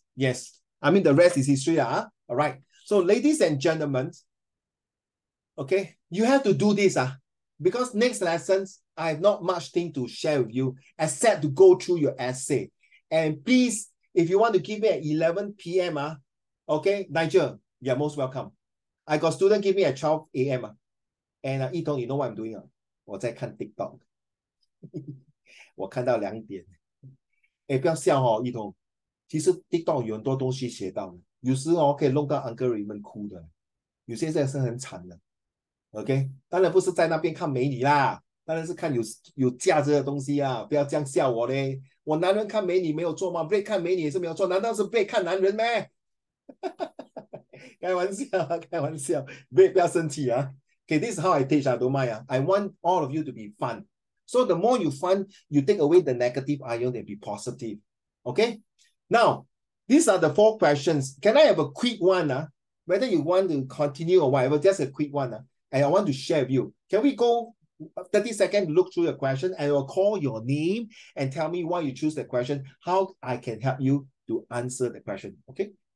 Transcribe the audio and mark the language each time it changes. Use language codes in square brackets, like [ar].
[en] Yes, I mean the rest is history, All right, so ladies and gentlemen, okay, you have to do this because next lessons, I have not much thing to share with you except to go through your essay. And please, if you want to give me at 11 p.m., okay, Nigel, you're most welcome. I got student give me at 12 a.m. And Yitong, you know what I'm doing? [zh] 我在看 TikTok. 我看到两点. 不要笑哦, Yitong. 其实 TikTok 有很多东西写到的. 有时候可以弄到 Uncle Raymond 哭的，有些真的是很惨的 ，OK， 当然不是在那边看美女啦，当然是看有价值的东西啊，不要这样笑我嘞。我男人看美女没有错吗 ？Blake 看美女也是没有错，难道是 Blake 看男人咩？开玩笑，开玩笑 ，Blake 不要生气啊 ，OK， [en] this is how I teach, don't mind, I want all of you to be fun. So the more you fun, you take away the negative iron and be positive. OK, now. These are the four questions. Can I have a quick one? Whether you want to continue or whatever, just a quick one. And I want to share with you. Can we go 30 seconds to look through the question and I'll call your name and tell me why you choose the question, how I can help you to answer the question, okay?